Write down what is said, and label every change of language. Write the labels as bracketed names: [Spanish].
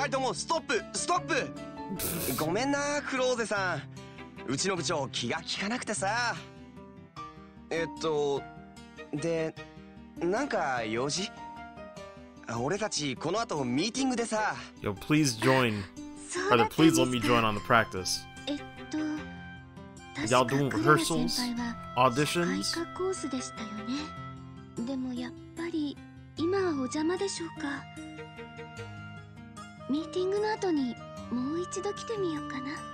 [Japanese] ごめんなさい。間違えました。え、いや、間違えたのはこっちだけど。あ、そうですね。ごめんなさい。だから、間違えたのはこっちだって。はい、二人ともストップ、ストップ。ごめんな、クローゼさん。うちの部長、気が利かなくてさ。で、なんか用事？俺たち、この後、ミーティングでさ。 [English] Yo, please join. Rather, please let me join on the practice. Y'all doing rehearsals? Auditions? [Japanese] 社会科コースでしたよね。でも、やっぱり、今はお邪魔でしょうか。ミーティングの後に、もう一度来てみようかな。